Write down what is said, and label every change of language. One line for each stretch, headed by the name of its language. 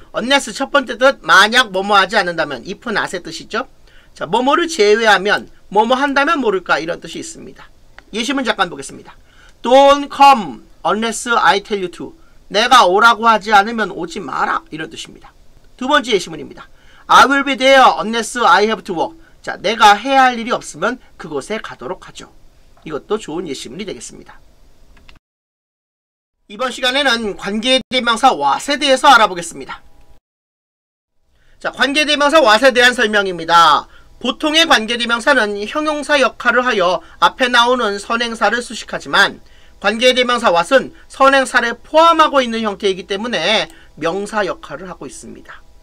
Korean: unless 첫 번째 뜻, 만약 뭐뭐 하지 않는다면, if not의 뜻이죠. 자, 뭐뭐를 제외하면, 뭐뭐 한다면 모를까 이런 뜻이 있습니다. 예시문 잠깐 보겠습니다.
English: Don't come unless I tell you to.
Korean: 내가 오라고 하지 않으면 오지 마라. 이런 뜻입니다. 두 번째 예시문입니다.
English: I will be there unless I have to work.
Korean: 자, 내가 해야 할 일이 없으면 그곳에 가도록 하죠. 이것도 좋은 예시문이 되겠습니다. 이번 시간에는 관계대명사 what에 대해서 알아보겠습니다. 자, 관계대명사 what에 대한 설명입니다. 보통의 관계대명사는 형용사 역할을 하여 앞에 나오는 선행사를 수식하지만 관계대명사 what은 선행사를 포함하고 있는 형태이기 때문에 명사 역할을 하고 있습니다.